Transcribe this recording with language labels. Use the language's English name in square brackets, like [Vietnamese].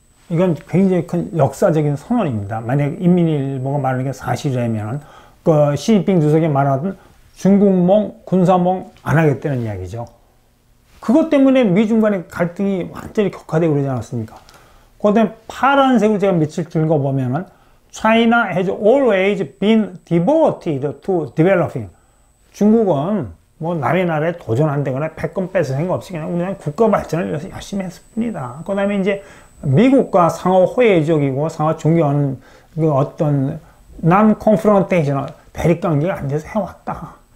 [Korean] 이건 굉장히 큰 역사적인 선언입니다. 만약 인민일보가 말하는 게 사실이라면은, 시진핑 주석이 말하던 중국몽, 군사몽 안 하겠다는 이야기죠. 그것 때문에 미중 간의 갈등이 완전히 격화되고 그러지 않았습니까? 그다음 파란색을 제가 며칠 긁어보면은, [English] China has always been devoted to developing. [Korean] 중국은 뭐 남의 나라에 도전한다거나 패권 뺏을 생각 없이 그냥 우리는 국가 발전을 위해서 열심히 했을 뿐이다. 그 다음에 이제 미국과 상호 호혜적이고 상호 존경하는 그 어떤 non-confrontation, 대립관계가 안 돼서 해왔다.